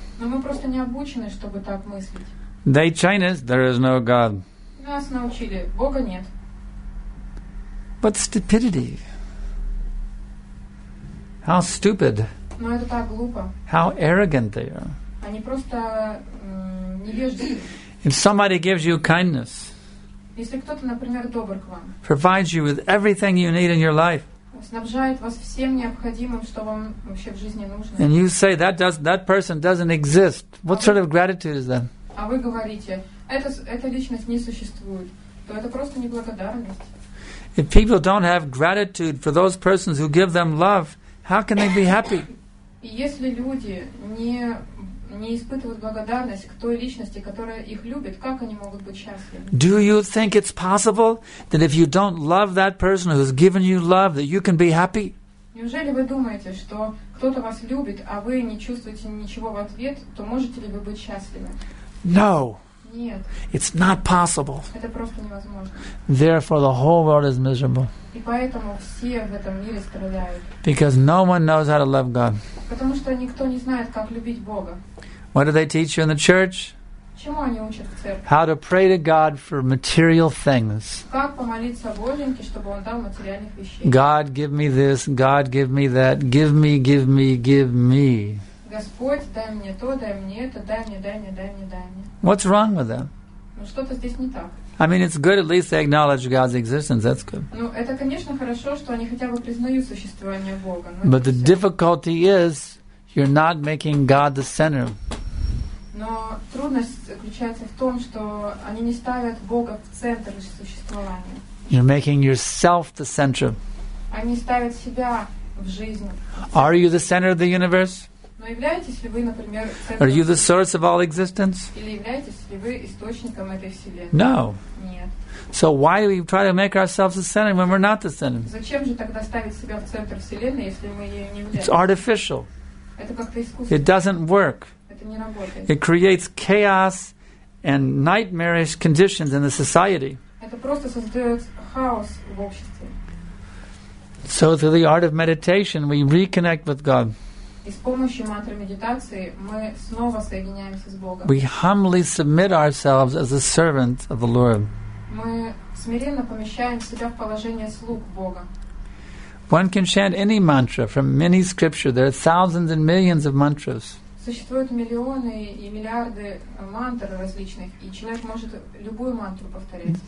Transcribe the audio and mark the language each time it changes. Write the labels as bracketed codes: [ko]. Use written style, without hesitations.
[ru] Но мы просто не обучены, чтобы так мыслить. [en] They train us, there is no God. [ru] Нас научили, Бога нет. [en] What stupidity! How stupid! [ru] Но это так глупо. [en] How arrogant they are! [ru] Они просто невежливы. [en] If somebody gives you kindness, [ru] если кто-то, например, добр к вам, [en] provides you with everything you need in your life. [ru] Снабжает вас всем необходимым, что вам вообще в жизни нужно. [en] And you say that does that person doesn't exist. What sort of gratitude is that? [ru] А вы говорите, эта личность не существует. То это просто неблагодарность. [en] If people don't have gratitude for those persons who give them love, how can they be happy? [ru] Если люди не испытывают благодарность к той личности, которая их любит, как они могут быть счастливы? [en] Do you think it's possible that if you don't love that person who's given you love, that you can be happy? [ru] Неужели вы думаете, что кто-то вас любит, а вы не чувствуете ничего в ответ, то можете ли вы быть счастливы? [en] No. [ru] Нет. [en] It's not possible. [ru] Это просто невозможно. [en] Therefore, the whole world is miserable. [ru] И поэтому все в этом мире страдают. [en] Because no one knows how to love God. [ru] Потому что никто не знает, как любить Бога. [en] What do they teach you in the church? [ru] Чему они учат в церкви? [en] How to pray to God for material things. [ru] Как помолиться Боженьке, чтобы он дал материальных вещей? [en] God, give me this. God, give me that. Give me, give me, give me. [ru] Господь, дай мне то, дай мне это, дай мне, дай мне, дай мне, дай мне. [en] What's wrong with them? [ru] Ну что-то здесь не так. [en] I mean, it's good at least they acknowledge God's existence. That's good. [ru] Ну это конечно хорошо, что они хотя бы признают существование Бога. [en] But the difficulty is, you're not making God the center. [ru] Но трудность заключается в том, что они не ставят Бога в центр существования. [en] You're making yourself the center. [ru] Они ставят себя в жизнь. [en] Are you the center of the universe? [ru] Но являетесь ли вы, например, центром? [en] Are you the source of all existence? [ru] Или являетесь ли вы источником этой вселенной? [en] No. [ru] Нет. [en] So why do we try to make ourselves the center when we're not the center? [ru] Зачем же тогда ставить себя в центр вселенной, если мы ею не являемся? [en] It's artificial. [ru] Это как-то искусственно. [en] It doesn't work. [ru] Это не работает. [en] It creates chaos and nightmarish conditions in the society. [ru] Это просто создает хаос в обществе. [en] So through the art of meditation, we reconnect with God. [ru] И с помощью мантры медитации мы снова соединяемся с Богом. [en] We humbly submit ourselves as a servant of the Lord. [ru] Мы смиренно помещаем себя в положение слуг Бога. [en] One can chant any mantra from any scripture. There are thousands and millions of mantras. [ru] Существуют миллионы и миллиарды мантр различных, и человек может любую мантру повторять.